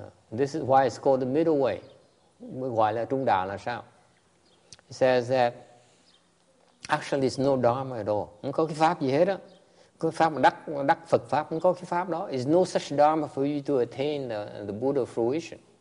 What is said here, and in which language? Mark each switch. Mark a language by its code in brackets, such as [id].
[en] This is why it's called the middle way. [vi] Gọi là trung đạo là sao? [en] It says that actually there's no dharma at all. [vi] Không có cái pháp gì hết đó. Có pháp đắc Phật pháp, không có cái pháp đó. [en] It's no such dharma for you to attain the Buddha fruition.